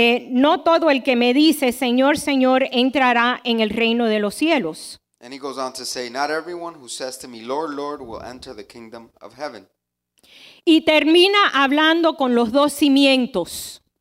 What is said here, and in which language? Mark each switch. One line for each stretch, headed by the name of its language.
Spanish: No todo el que me dice, Señor, Señor, entrará en el reino de los cielos.
English: And he goes on to say, not everyone who says to me, Lord, Lord, will enter the kingdom of heaven.
Spanish: Y termina hablando con los dos cimientos.